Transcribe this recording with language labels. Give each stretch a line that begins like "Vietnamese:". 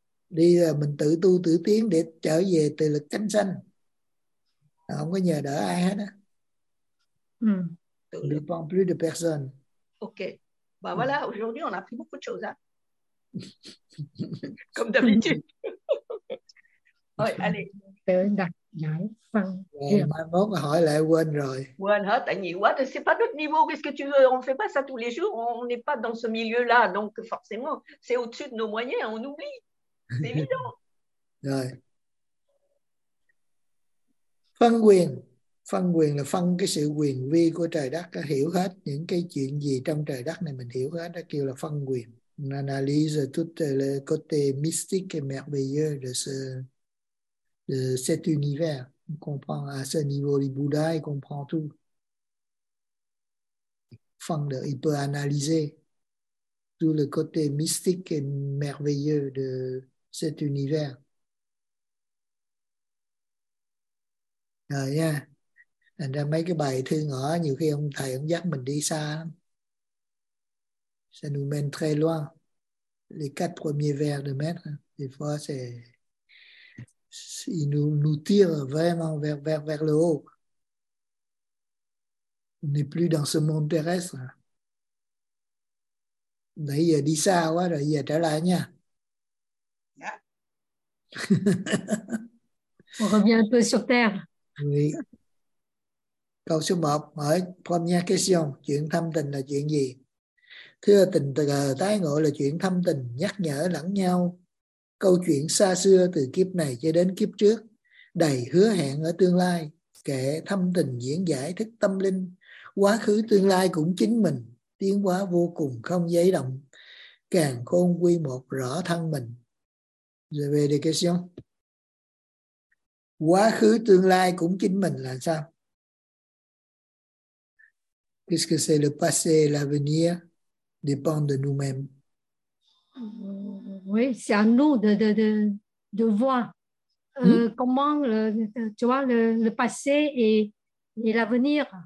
Vietnamese: Đi là mình tự tu tự tiến để trở về tự lực cánh sanh. Không có nhờ đỡ ai hết á.
French: Ne dépend plus de personne. Ok. Bah voilà, aujourd'hui on a appris beaucoup de choses. Hein? Comme d'habitude. Ouais, allez.
Vietnamese: Tự đặt giải phân. Mai mốt hỏi lại quên rồi. Quên hết, tại nhiều quá.
French: C'est pas notre niveau. Qu'est-ce que tu veux? On fait pas ça tous les jours. On n'est pas dans ce milieu-là, donc forcément, c'est au-dessus de nos moyens. On oublie. C'est évident.
Vietnamese: Rồi. Phân quyền. Phân quyền là phân cái sự quyền vi của trời đất, hiểu hết những cái chuyện gì trong trời đất này mình hiểu hết, đó kêu là phân quyền.
French: Analyse tout le côté mystique et merveilleux de cet univers. On comprend à ce niveau du Bouddha, il comprend tout. Phân de, il peut analyser tout le côté mystique et merveilleux de cet univers. Yeah.
Vietnamese: Thành ra mấy cái bài thư ngõ nhiều khi ông thầy ông dắt mình đi xa lắm.
French: Ça nous mène très loin. Les quatre premiers vers de maître, des fois, c'est... Ils nous tirent vraiment vers le haut. On n'est plus dans ce monde terrestre.
Vietnamese: Đấy, giờ đi xa quá rồi, giờ trở lại nha. Yeah.
French: On revient un peu sur terre. Oui.
Vietnamese: Câu số 1, hỏi
French: première question,
Vietnamese: chuyện thâm tình là chuyện gì? Thưa tình tờ tái ngộ là chuyện thâm tình, nhắc nhở lẫn nhau. Câu chuyện xa xưa từ kiếp này cho đến kiếp trước, đầy hứa hẹn ở tương lai, kể thâm tình diễn giải thức tâm linh, quá khứ tương lai cũng chính mình, tiến hóa vô cùng không dấy động, càng khôn quy một rõ thân mình. Rồi về đề question. Quá khứ tương lai cũng chính mình là sao?
French: Puisque c'est le passé et l'avenir dépend de nous-mêmes. Oui, c'est à nous de voir comment tu vois le passé et l'avenir.